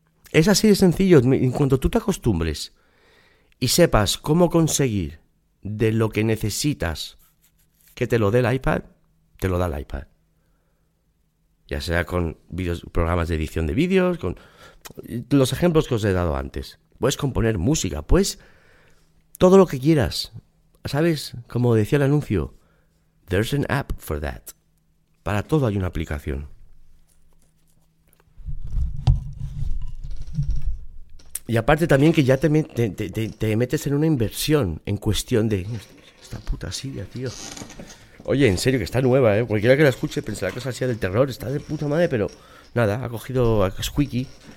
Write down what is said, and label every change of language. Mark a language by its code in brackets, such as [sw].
[es] Es así de sencillo. En cuanto tú te acostumbres y sepas cómo conseguir de lo que necesitas que te lo dé el iPad, te lo da el iPad. Ya sea con videos, programas de edición de vídeos, con los ejemplos que os he dado antes. Puedes componer música, puedes todo lo que quieras. ¿Sabes? Como decía el anuncio, [en] there's an app for that. [es] Para todo hay una aplicación. Y aparte también que ya te metes en una inversión en cuestión de... Esta puta Siria, tío. Oye, en serio, que está nueva, ¿eh? Cualquiera que la escuche pensará que es así del terror. Está de puta madre, pero nada, ha cogido a Squeaky.